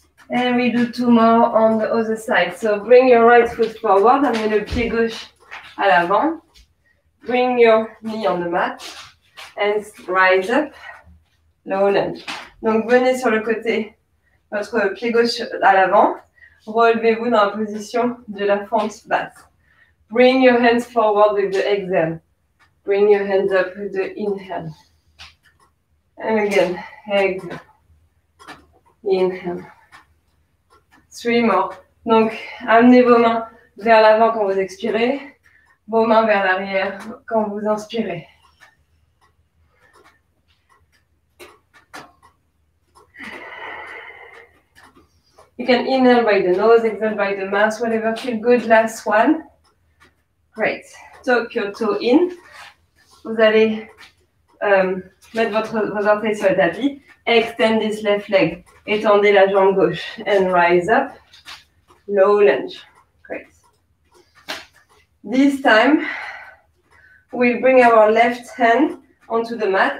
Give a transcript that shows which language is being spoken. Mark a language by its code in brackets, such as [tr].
[en] And we do two more on the other side. So bring your right foot forward, [fr] amenez le pied gauche à l'avant. [en] Bring your knee on the mat and rise up, low lunge. [fr] Donc venez sur le côté, votre pied gauche à l'avant. Relevez-vous dans la position de la fente basse. [en] Bring your hands forward with the exhale. Bring your hands up with the inhale. And again, exhale, inhale. Three more. [fr] Donc, amenez vos mains vers l'avant quand vous expirez, vos mains vers l'arrière quand vous inspirez. [en] You can inhale by the nose, exhale by the mouth, whatever feels good. Last one. Great. Tuck your toe in. [fr] Vous allez mettre vos orteils sur le tapis. [en] Extend this left leg. [fr] Étendez la jambe gauche. [en] And rise up. Low lunge. Great. This time, we bring our left hand onto the mat.